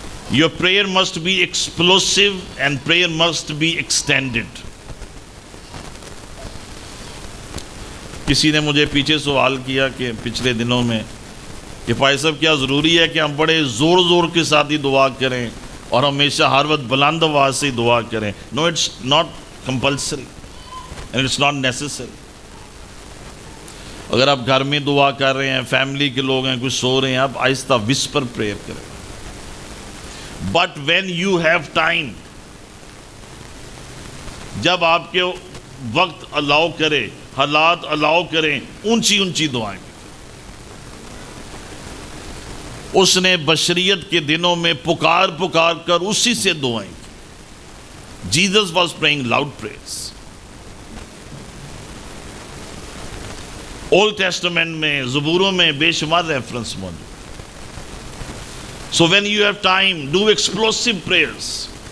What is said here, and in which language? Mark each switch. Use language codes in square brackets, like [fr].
[en] Your prayer must be explosive and prayer must be extended. [ur] کسی نے مجھے پیچھے سوال کیا کہ پچھلے دنوں میں کہ بھائی صاحب کیا ضروری ہے کہ ہم بڑے زور زور کے ساتھ ہی دعا کریں اور ہمیشہ ہر وقت بلند آواز سے ہی دعا کریں؟ [en] No, it's not compulsory and it's not necessary. [ur] اگر آپ گھر میں دعا کر رہے ہیں, فیملی کے لوگ ہیں, کچھ سو رہے ہیں, آپ آہستہ [en] whisper prayer [ur] کریں. [en] But when you have time, [ur] جب آپ کے وقت allow کرے, حالات allow کریں, اونچی اونچی دعائیں. اس نے بشریت کے دنوں میں پکار پکار کر اسی سے دعائیں. [en] Jesus was praying loud prayers. [ur] Old Testament میں, زبوروں میں بے شمار ریفرنس موجود. [en] So when you have time, do explosive prayers.